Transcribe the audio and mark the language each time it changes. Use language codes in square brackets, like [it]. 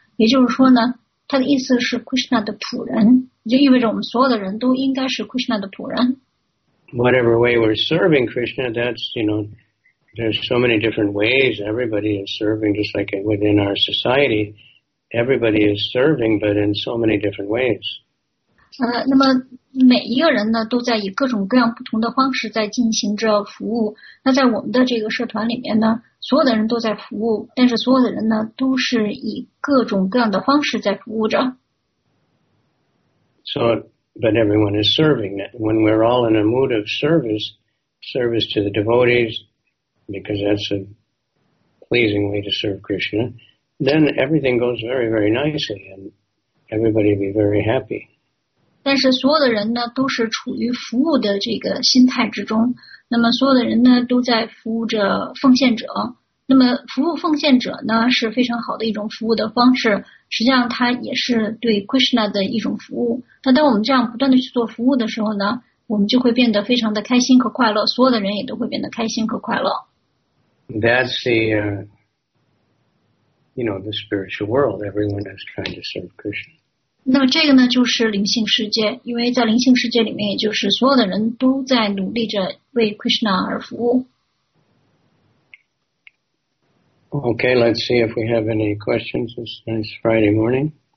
[zh] 也就是说呢，它的意思是 Krishna 的仆人，也就意味着我们所有的人都应该是 Krishna 的仆人。 [en] Whatever way we're serving Krishna, that's, you know, there's so many different ways everybody is serving, just like within our society. Everybody is serving, but in so many different ways. [zh] 那么每一个人呢，都在以各种各样不同的方式在进行着服务。那在我们的这个社团里面呢，所有的人都在服务，但是所有的人呢，都是以各种各样的方式在服务着。 [en] So, but everyone is serving. When we're all in a mood of service, service to the devotees, because that's a pleasing way to serve Krishna. Then everything goes very, very nicely, and everybody will be very happy. [zh] 但是所有的人呢都是处于服务的这个心态之中，那么所有的人呢都在服务着奉献者。那么服务奉献者呢是非常好的一种服务的方式，实际上它也是对 Krishna 的一种服务。那当我们这样不断的去做服务的时候呢，我们就会变得非常的开心和快乐，所有的人也都会变得开心和快乐。 [en] That's the You know, the spiritual world, everyone is trying to serve Krishna. [zh] 那么这个呢就是灵性世界，因为在灵性世界里面也就是所有的人都在努力着为 Krishna 而服务。 [en] Okay, let's see if we have any questions. It's nice Friday morning.